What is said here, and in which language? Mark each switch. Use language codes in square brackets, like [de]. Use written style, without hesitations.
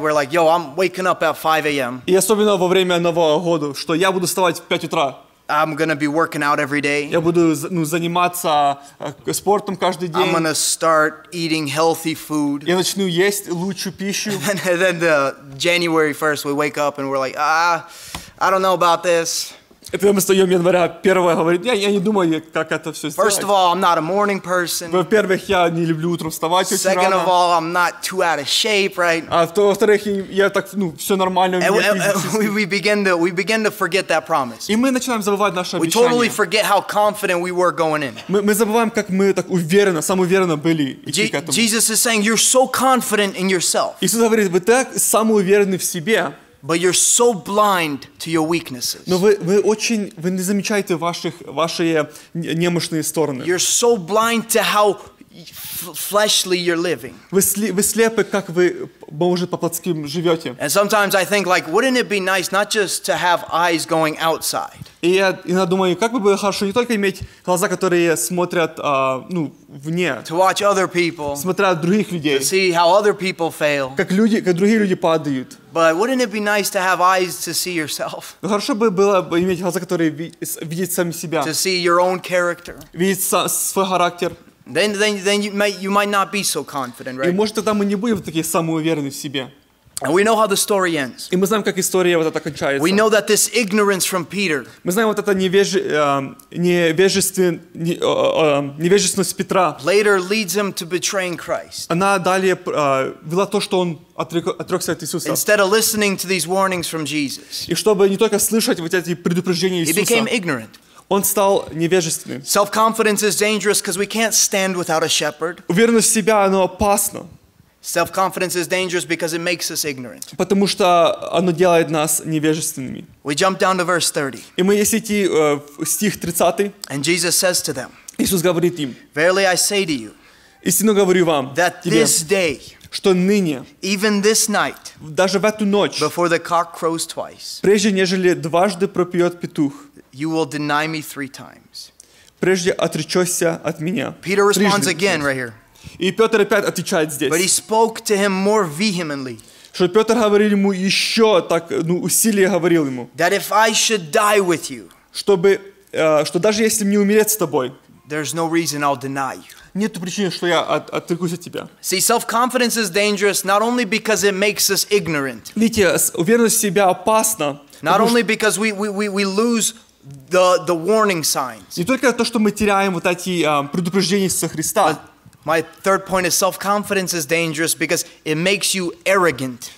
[en] We're like, yo, I'm waking up at 5 a.m. [ru] И особенно во время Нового года, что я буду вставать в 5 утра. [en] I'm gonna be working out every day. [ru] Я буду заниматься спортом каждый день. [en] I'm gonna start eating healthy food. [ru] Я начну есть лучшую пищу. [en] And then the January 1st, we wake up and we're like, I don't know about this. [ru] И потом мы встаем января 1-го, говорит, я не думаю, как это все сделать. [en] First of all, I'm not a morning person. [ru] Во-первых, я не люблю утром вставать очень [en] Second [ru] рано. [en] Second of all, I'm not too out of shape, right? [ru] А во-вторых, я так, ну, все нормально. [en] We begin to forget that promise. [ru] И мы начинаем забывать наше обещание. [en] We totally forget how confident we were going in. [ru] Мы забываем, как мы так уверенно, самоуверенно были идти к этому. [en] Jesus is saying, you're so confident in yourself. [ru] Иисус говорит, вы так самоуверенны в себе. [en] But you're so blind to your weaknesses. [ru] Но вы не замечаете ваши немощные стороны. [en] You're so blind to how fleshly you're living. [ru] Вы слепы, как вы, может, по-плотски живете. [en] And sometimes I think, like, wouldn't it be nice not just to have eyes going outside? [ru] И я иногда думаю, как бы было хорошо не только иметь глаза, которые смотрят, ну, вне. [en] To watch other people. [ru] Смотрят других людей. [en] To see how other people fail. [ru] Как другие люди падают. [en] But wouldn't it be nice to have eyes to see yourself? [ru] Хорошо бы было иметь глаза, которые видят сами себя. [en] To see your own character. [ru] Видеть свой характер. [en] Then you might not be so confident, right? [ru] И может, тогда мы не будем такие самоуверенны в себе. [en] And we know how the story ends. [ru] И мы знаем, как история вот эта кончается. [en] We know that this ignorance from Peter. [ru] Мы знаем вот это невежественность Петра. [en] Later leads him to betraying Christ. [ru] Она далее вела то, что он отрекся от Иисуса. [en] Instead of listening to these warnings from Jesus. [ru] И чтобы не только слышать вот эти предупреждения Иисуса. [en] He became ignorant. [ru] Он стал невежественным. [en] Self-confidence is dangerous because we can't stand without a shepherd. [ru] Уверенность в себя, она опасна. [en] Self-confidence is dangerous because it makes us ignorant. [ru] Потому что оно делает нас невежественными. [en] We jump down to verse 30. [ru] И мы если идти в стих 30. [en] And Jesus says to them. [ru] Иисус говорит им. [en] Verily I say to you. [ru] Истинно говорю вам. [en] That [ru] тебе, [en] this day. [ru] Что ныне. [en] Even this night. [ru] Даже в эту ночь. [en] Before the cock crows twice. [ru] Прежде нежели дважды пропьет петух. [en] You will deny me three times. [ru] Прежде отречешься от меня. [en] Peter responds again right here. [ru] И Петр опять отвечает здесь. [en] But he spoke to him more vehemently. [ru] Что Петр говорил ему еще так, ну, усилие говорил ему. [en] That if I should die with you. [ru] Чтобы, что даже если мне умереть с тобой. [en] There's no reason I'll deny you. [ru] Нет причины, что я отрекусь от тебя. [en] See, self-confidence is dangerous not only because it makes us ignorant. [ru] Видите, уверенность в себя опасна. [en] Not only because we lose the warning signs. [ru] Не только то, что мы теряем вот эти предупреждения со Христа. [en] My third point is self-confidence is dangerous because it makes you arrogant.